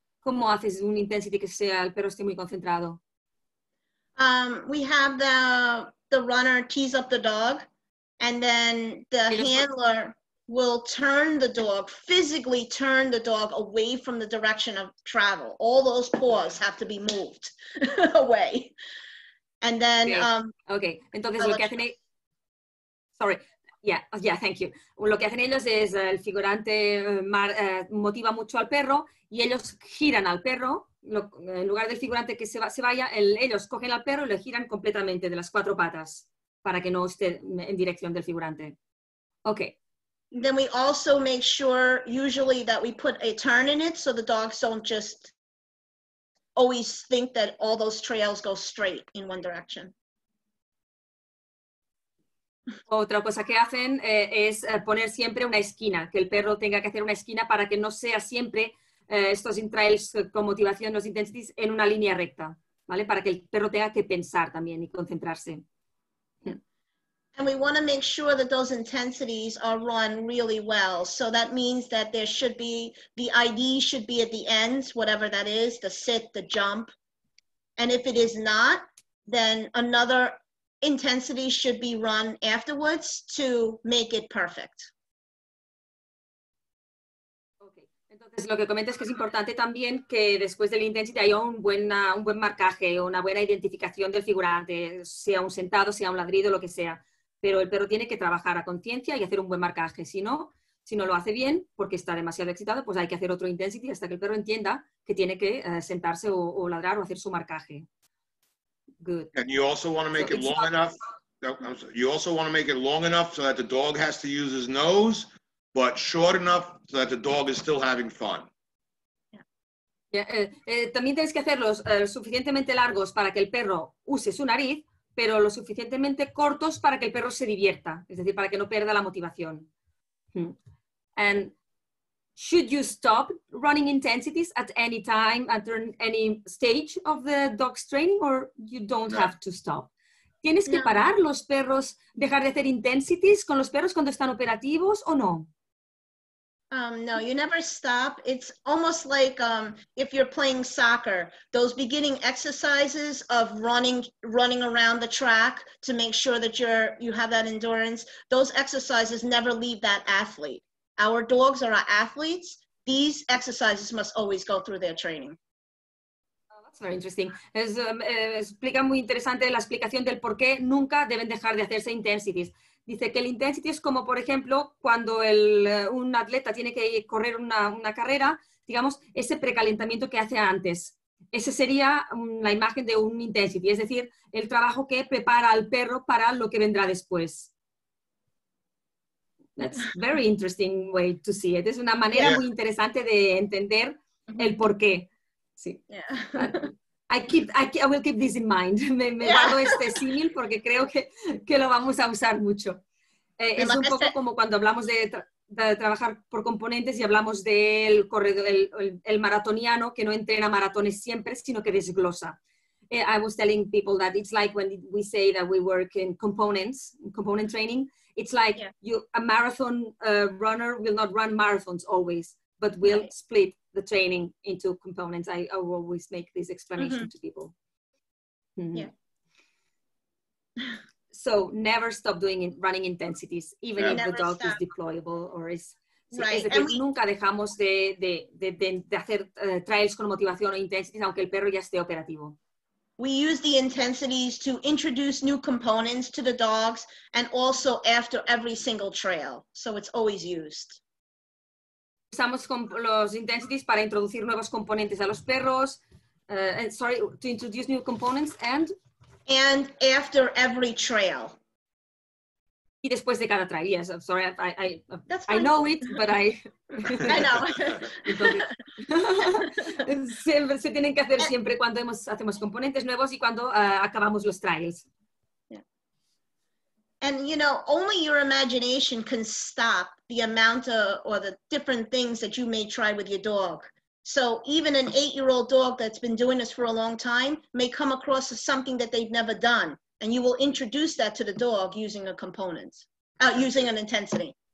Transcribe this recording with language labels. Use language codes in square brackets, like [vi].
[es] ¿Cómo haces un intensity que sea el perro esté muy concentrado? [en] We have the runner tease up the dog, and then the handler will turn the dog, physically turn the dog away from the direction of travel. All those paws have to be moved away. And then... Okay, [es] entonces lo que hacen ellos... [en] Sorry, yeah, thank you. [es] Lo que hacen ellos es el figurante motiva mucho al perro y ellos giran al perro. En lugar del figurante que se vaya, ellos cogen al perro y lo giran completamente de las cuatro patas para que no esté en dirección del figurante. [en] Okay. Then we also make sure, usually, that we put a turn in it so the dogs don't just always think that all those trails go straight in one direction. Otra cosa que hacen es poner siempre una esquina, que el perro tenga que hacer una esquina para que no sea siempre estos intrails con motivación, los intensities, en una línea recta, ¿vale? Para que el perro tenga que pensar también y concentrarse. And we want to make sure that those intensities are run really well. So that means that there should be, the ID should be at the ends, whatever that is, the sit, the jump. And if it is not, then another intensity should be run afterwards to make it perfect. Okay. [es] Entonces, lo que comentas es que es importante también que después del intensity haya un buen marcaje, una buena identificación del figurante, sea un sentado, sea un ladrido, lo que sea. Pero el perro tiene que trabajar a conciencia y hacer un buen marcaje. Si no lo hace bien, porque está demasiado excitado, pues hay que hacer otro intensity hasta que el perro entienda que tiene que sentarse o ladrar o hacer su marcaje. [en] Good. And you also want to make it long enough. You also want to make it long enough so that the dog has to use his nose, but short enough so that the dog is still having fun. [es] También tienes que hacerlos suficientemente largos para que el perro use su nariz, pero lo suficientemente cortos para que el perro se divierta, es decir, para que no pierda la motivación. [en] And should you stop running intensities at any time, at any stage of the dog's training, or you don't have to stop? [es] ¿Tienes que parar los perros, dejar de hacer intensities con los perros cuando están operativos o no? [en] No, you never stop. It's almost like if you're playing soccer, those beginning exercises of running around the track to make sure that you have that endurance, those exercises never leave that athlete. Our dogs are our athletes. These exercises must always go through their training. Very interesting. [es] Explica muy interesante la explicación del por qué nunca deben dejar de hacerse intensities. Dice que el intensity es como, por ejemplo, cuando un atleta tiene que correr una carrera, digamos, ese precalentamiento que hace antes. Ese sería la imagen de un intensity, es decir, el trabajo que prepara al perro para lo que vendrá después. [en] That's very interesting way to see it. [es] Es una manera muy interesante de entender el por qué. Sí. [en] Yeah. I will keep this in mind. [es] Me guardo este símil porque creo que lo vamos a usar mucho. Es un poco como cuando hablamos de trabajar por componentes y hablamos del corredor, el maratoniano que no entrena maratones siempre, sino que desglosa. [en] I was telling people that it's like when we say that we work in components, component training. It's like a marathon runner will not run marathons always, but will split the training into components. I always make this explanation to people. So never stop running intensities, even if the dog is deployable or is... [es] Nunca dejamos de hacer trials con motivación o intensities, aunque el perro ya esté operativo. [en] We use the intensities to introduce new components to the dogs and also after every single trail. So it's always used. [es] Usamos los intensities para introducir nuevos componentes a los perros. [en] To introduce new components and? And after every trail. [es] Y después de cada trail, [en] yes. I'm sorry, I know it, but I... I know. [es] Siempre, se tienen que hacer siempre cuando hacemos componentes nuevos y cuando acabamos los trials. [en] And, you know, only your imagination can stop the amount of or the different things that you may try with your dog. So even an 8-year-old dog that's been doing this for a long time may come across as something that they've never done. And you will introduce that to the dog using an intensity,